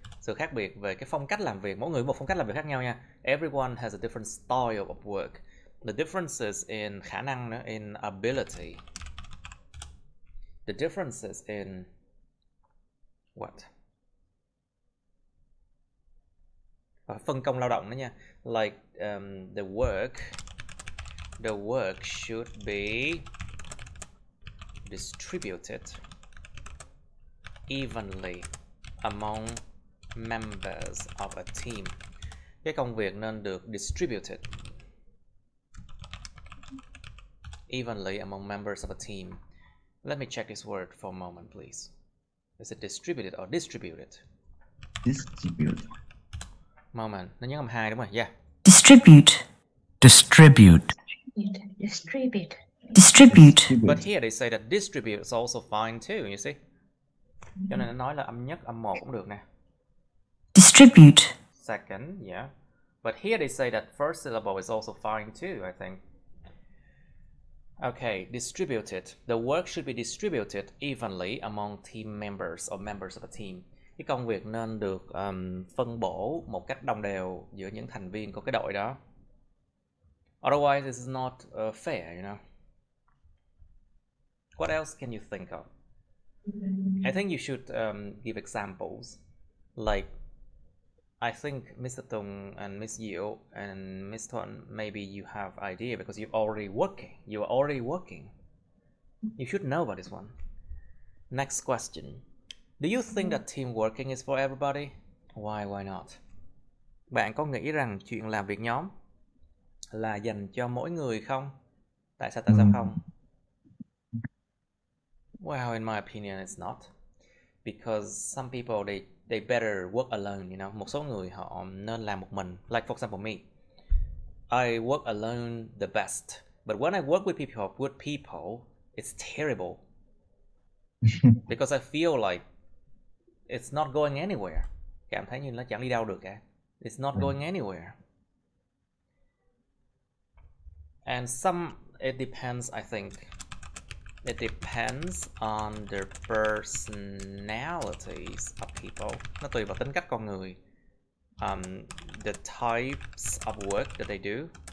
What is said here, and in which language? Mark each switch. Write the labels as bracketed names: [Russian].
[Vietnamese] Sự khác biệt về cái phong cách làm việc, mỗi người một phong cách làm việc khác nhau nha. [English] Everyone has a different style of work. The differences in [Vietnamese] khả năng nữa, [English] in ability. The differences in what? [Vietnamese] Phân công lao động đó nha. [English] Like the work should be distributed evenly among members of a team. [Vietnamese] Cái công việc nên được [English] distributed evenly among members of a team. Let me check this word for a moment, please. Is it distributed or distributed? Distribute. [Vietnamese] Moment, nó nhấn âm hai đúng không? [English] Yeah. Distribute. Distribute. Distribute. Distribute. But here they say that distribute is also fine too, you see. [Vietnamese] Cho nên nó nói là âm nhất, âm một cũng được nè. [English] Distribute. Second, yeah. But here they say that first syllable is also fine too, I think. Okay, distributed. The work should be distributed evenly among team members or members of a team. [Vietnamese] Cái công việc nên được phân bổ một cách đồng đều giữa những thành viên của cái đội đó. [English] Otherwise, this is not fair, you know. What else can you think of? I think you should give examples. Like, I think Mr. Tung and Miss Yu and Miss Thuan, maybe you have idea because you're already working. You are already working. You should know about this one. Next question. Do you think that team working is for everybody? Why not? [Vietnamese] Bạn có nghĩ rằng chuyện làm việc nhóm là dành cho mỗi người không? Tại sao không? [English] Well, in my opinion, it's not. because some people they better work alone, you know. [Vietnamese] Một số người họ nên làm một mình. [English] Like for example me, I work alone the best. But when I work with people, it's terrible. Because I feel like it's not going anywhere. [Vietnamese] Cảm thấy như nó chẳng đi đâu được cả. [English] It's not going anywhere. And some, it depends, I think. It depends on the personalities of people. [Vietnamese] Nó tùy vào tính cách con người. [English] The types of work that they do.